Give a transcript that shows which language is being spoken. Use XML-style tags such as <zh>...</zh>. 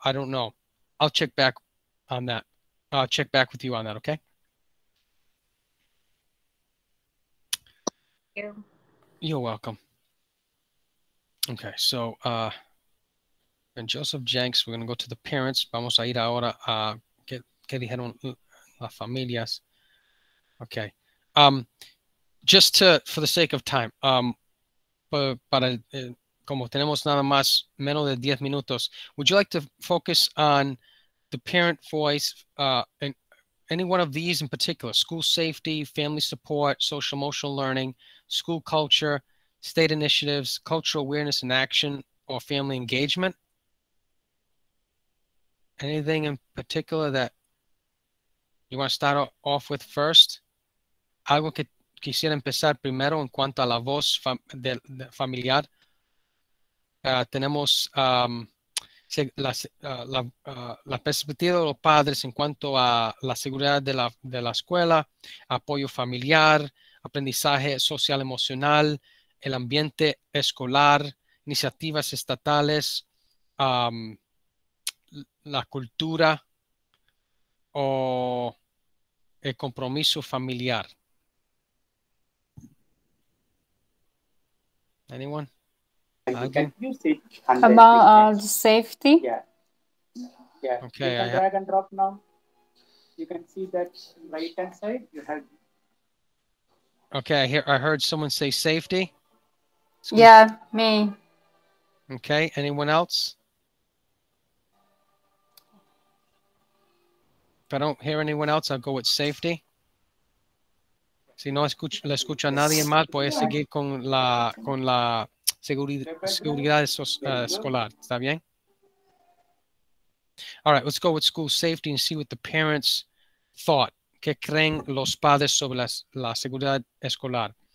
<en>I don't know. I'll check back on that. I'll check back with you on that. Okay. You're welcome. Okay, so and Joseph Jenks, we're going to go to the parents.</en> <es>Vamos a ir ahora a que dijeron las familias.</es> <en>Okay. Just to for the sake of time,</en> <es>como tenemos nada más menos de 10 minutos,</es> <en>would you like to focus on the parent voice and any one of these in particular, school safety, family support, social emotional learning, school culture, state initiatives, cultural awareness and action, or family engagement? Anything in particular that you want to start off with first?</en> <es>Algo que quisiera empezar primero en cuanto a la voz familiar. Tenemos la perspectiva de los padres en cuanto a la seguridad de la escuela, apoyo familiar, aprendizaje social emocional, el ambiente escolar, iniciativas estatales, la cultura o el compromiso familiar.</es> <en>Anyone? Okay. About safety. Yeah. Okay. You can drag and drop now. You can see that right hand side. You have. Okay. I heard someone say safety. Excuse yeah, me. Okay. Anyone else? If I don't hear anyone else, I'll go with safety.</en> <es>Si no le escucho a nadie más, voy a seguir con la. Seguridad escolar, ¿está bien?</es> <en>All right, let's go with school safety and see what the parents thought.</en> <es>¿Qué creen los padres sobre la seguridad escolar?</es>